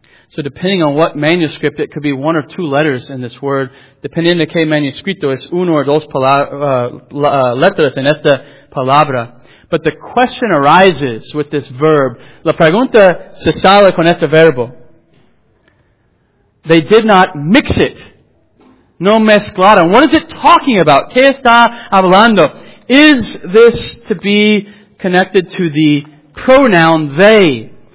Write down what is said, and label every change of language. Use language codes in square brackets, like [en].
[en] So depending on what manuscript, it could be one or two letters in this word. [es] Dependiendo de qué manuscrito, es uno o dos letras en esta palabra. [en] But the question arises with this verb. [es] La pregunta se sale con este verbo. [en] They did not mix it. [es] No mezclaron. [en] What is it talking about? [es] ¿Qué está hablando? [en] Is this to be connected to the pronoun they?